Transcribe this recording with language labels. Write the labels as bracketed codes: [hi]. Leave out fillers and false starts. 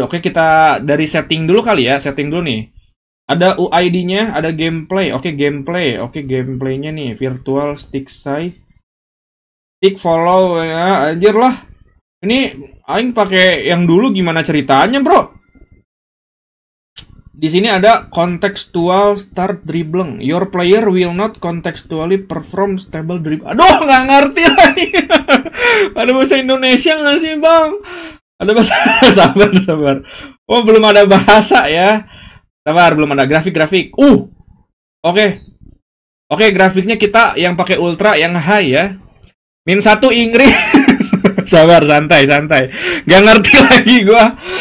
[id] Oke, kita dari setting dulu kali ya, setting dulu nih. Ada UID-nya, ada gameplay. Oke, gameplay-nya nih, virtual stick size. Stick follow ya, anjir lah. Ini aing pakai yang dulu gimana ceritanya, Bro? Di sini ada contextual start dribbling. [en] Your player will not contextually perform stable dribble. [id] Aduh, nggak ngerti lagi. Ada bahasa Indonesia nggak sih, Bang? Ada bahasa... Sabar. Oh, belum ada bahasa ya. Sabar, belum ada. Grafik. Oke, grafiknya kita yang pakai ultra, yang high ya. Min 1 Inggris. Sabar, santai. Nggak ngerti lagi gua.